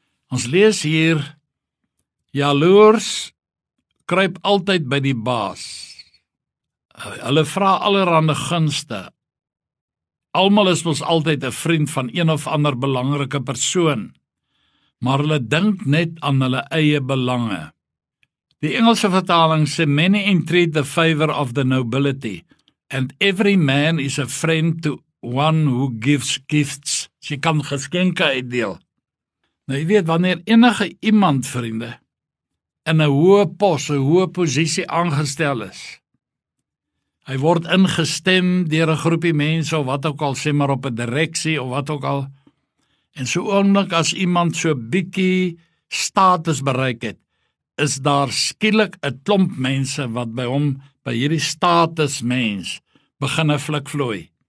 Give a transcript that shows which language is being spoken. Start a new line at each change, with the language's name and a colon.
Afrikaans: Ons lees hier, jaloers kruip altyd by die baas. Hulle vra allerhande gunste. Almal is mos altyd 'n vriend van een of ander belangrike persoon. Maar hulle dink net aan hulle eie belange. Die Engelse vertaling sê,
English: Many entreat the favor of the nobility, and every man is a friend to one who gives gifts.
Afrikaans: Sy kan geskenke uitdeel. Nou, jy weet, wanneer enige iemand, vriende, in 'n hoë pos, 'n hoë posisie aangestel is, hy word ingestem deur 'n groepie mense, of wat ook al, sê maar op 'n direksie, of wat ook al, en so oomblik as iemand so bietjie status bereik het, is daar skielik 'n klomp mense wat by hom, by hierdie status mens, beginne flik vlooi.